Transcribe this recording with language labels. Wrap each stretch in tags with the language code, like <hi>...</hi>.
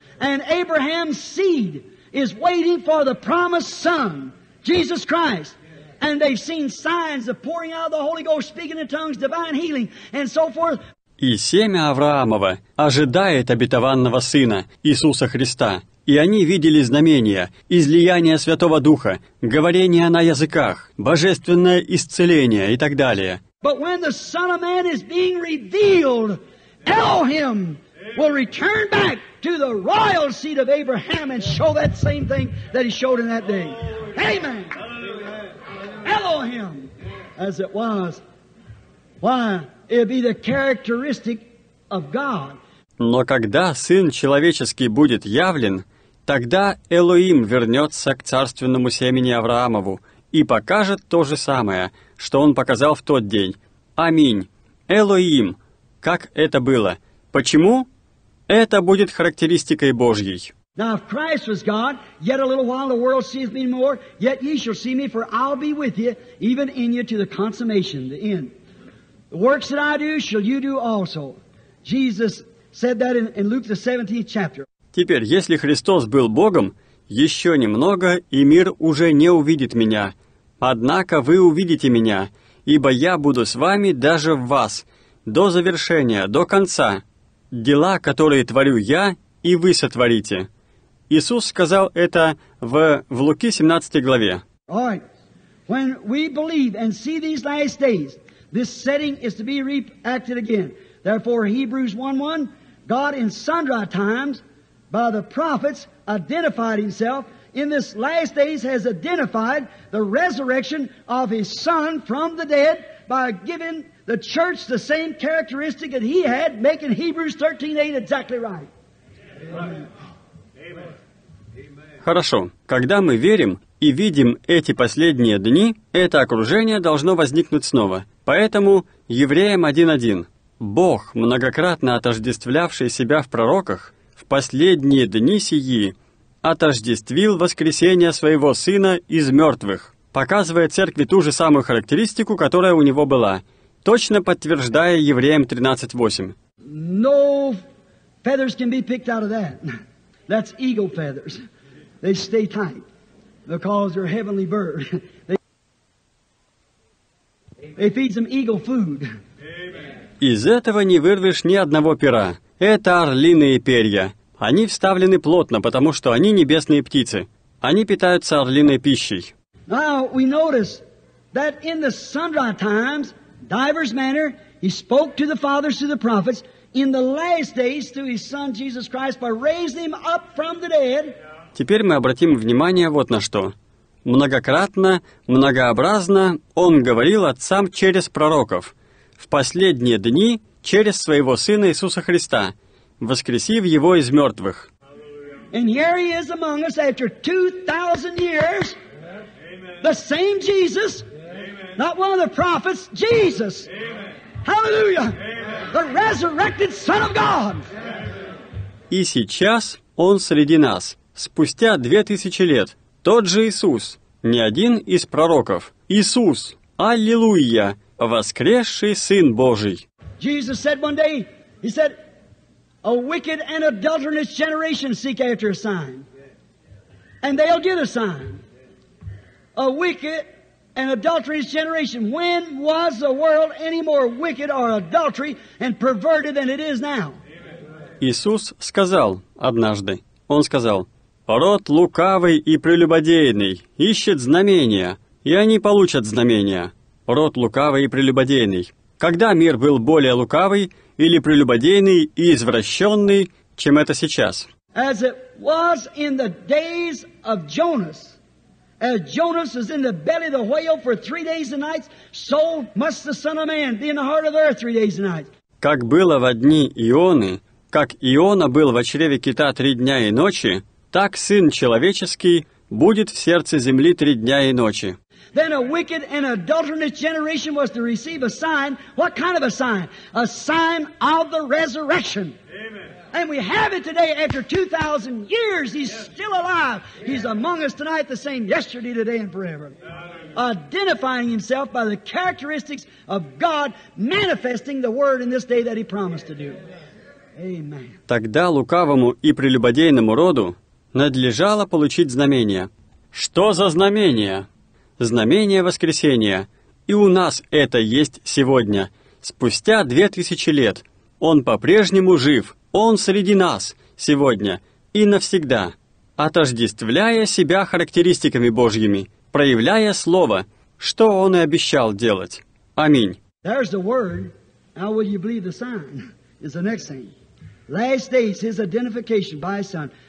<en>And Abraham's seed is waiting for the promised son, Jesus Christ. And they've seen signs of pouring out the Holy Ghost, speaking in tongues, divine healing, and so forth.</en> <ru>И семя Авраамова ожидает обетованного сына, Иисуса Христа. И они видели знамения, излияние Святого Духа, говорение на языках, божественное исцеление и так далее.</ru> <en>But when the Son of Man is being revealed, Elohim will return back to the royal seat of Abraham and show that same thing that he showed in that day. Amen. Elohim, as it was. Why? It'd be the characteristic of God.</en> <ru>Но когда Сын Человеческий будет явлен, тогда Элоим вернется к царственному семени Авраамову и покажет то же самое, что он показал в тот день. Аминь. Элоим. Как это было? Почему? Это будет характеристикой Божьей.</ru> <en>Now, if Christ was God, yet a little while the world seeth me more, yet ye shall see me, for I'll be with you, even in you, to the consummation, the end. The works that I do, shall you do also. Jesus said that in Luke, the 17th chapter.</en> <ru>Теперь, если Христос был Богом, еще немного, и мир уже не увидит меня. Однако вы увидите меня, ибо я буду с вами даже в вас, до завершения, до конца. Дела, которые творю я, и вы сотворите. Иисус сказал это в Луки 17 главе.</ru> <en>All right. When we believe and see these last days, this setting is to be reacted again. Therefore, Hebrews 1:1, God in sundry times, by the prophets, identified himself, in this last days has identified the resurrection of his son from the dead by giving the church the same characteristic that he had, making Hebrews 13:8 exactly right. Amen.</en> <ru>Хорошо, когда мы верим и видим эти последние дни, это окружение должно возникнуть снова. Поэтому Евреям 1:1. Бог, многократно отождествлявший себя в пророках, в последние дни сии отождествил воскресение своего Сына из мертвых, показывая Церкви ту же самую характеристику, которая у него была, точно подтверждая Евреям 13:8.</ru> <en>No feathers can be picked out of that. That's eagle feathers. They stay tight because they're heavenly bird. They feed them eagle food.</en> <ru>Из этого не вырвешь ни одного пера. Это орлиные перья. Они вставлены плотно, потому что они небесные птицы. Они питаются орлиной пищей.</ru> <en>Now we notice that in the sundry times, divers manner, he spoke to the fathers through the prophets. In the last days, through his Son Jesus Christ, by raising him up from the dead.</en> <ru>Теперь мы обратим внимание вот на что. Многократно, многообразно он говорил отцам через пророков. В последние дни через своего Сына Иисуса Христа, воскресив Его из мертвых.</ru> <en>And here he is among us after 2,000 years. Amen. The same Jesus. Amen. Not one of the prophets, Jesus. Amen. Hallelujah. Amen. The resurrected Son of God.</en> <ru>И сейчас Он среди нас. Спустя 2000 лет, тот же Иисус, не один из пророков, Иисус, Аллилуйя, воскресший Сын Божий.</ru> <en>Jesus said one day, he said, a wicked and adulterous generation seek after a sign, and they'll get a sign. A wicked and adulterous generation. When was the world any more wicked or adultery and perverted than it is now?</en> <ru>Иисус сказал однажды, Он сказал, «Род лукавый и прелюбодейный ищет знамения, и они получат знамения». Род лукавый и прелюбодейный. Когда мир был более лукавый или прелюбодейный и извращенный, чем это сейчас?</ru> <en>As it was in the days of Jonas. As Jonas was in the belly of the whale for 3 days and nights, so must the Son of Man be in the heart of the earth 3 days and nights.</en> <ru>Как было во дни Ионы, как Иона был во чреве кита 3 дня и ночи, так Сын Человеческий будет в сердце земли 3 дня и ночи.</ru> <en>Then a wicked and adulterous generation was to receive a sign. What kind of a sign? A sign of the resurrection. Amen. And we have it today after 2,000 years. He's yes. still alive. Yeah. He's among us tonight, the same yesterday, today, and forever. Identifying himself by the characteristics of God, manifesting the word in this day that he promised to do. Amen.</en> <ru>Тогда лукавому и прелюбодейному роду надлежало получить знамение. Что за знамение? Знамение воскресения. И у нас это есть сегодня. Спустя 2000 лет. Он по-прежнему жив. Он среди нас сегодня и навсегда. Отождествляя себя характеристиками Божьими, проявляя Слово, что Он и обещал делать. Аминь.</ru> <en>There's the word. How will you believe the sign? Is the next thing. Last days, his identification by his son.</en>